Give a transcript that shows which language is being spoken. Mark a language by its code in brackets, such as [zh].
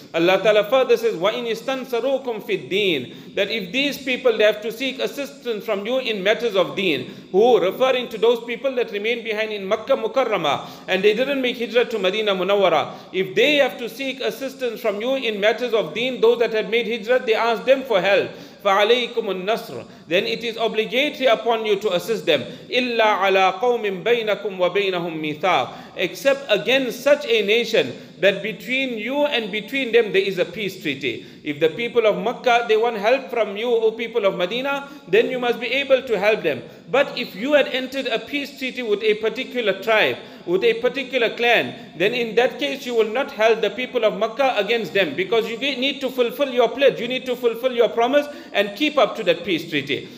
[en] Allah Ta'ala further says, [ar] وَإِنْ يَسْتَنْصَرُوكُمْ فِي الدِّينِ, [en] that if these people, they have to seek assistance from you in matters of deen, who, referring to those people that remain behind in Makkah Mukarramah and they didn't make hijrah to Madinah Munawwara, if they have to seek assistance from you in matters of deen, those that have made hijrah, they ask them for help. [ar] فَعَلَيْكُمْ النَّصْرُ, [en] then it is obligatory upon you to assist them. [ar] إِلَّا عَلَىٰ قَوْمٍ بَيْنَكُمْ وَبَيْنَهُمْ مِيثَاقٌ, [en] except against such a nation that between you and between them there is a peace treaty. If the people of Makkah, they want help from you, O people of Medina, then you must be able to help them. But if you had entered a peace treaty with a particular tribe, with a particular clan, then in that case you will not help the people of Makkah against them, because you need to fulfill your pledge, you need to fulfill your promise and keep up to that peace treaty.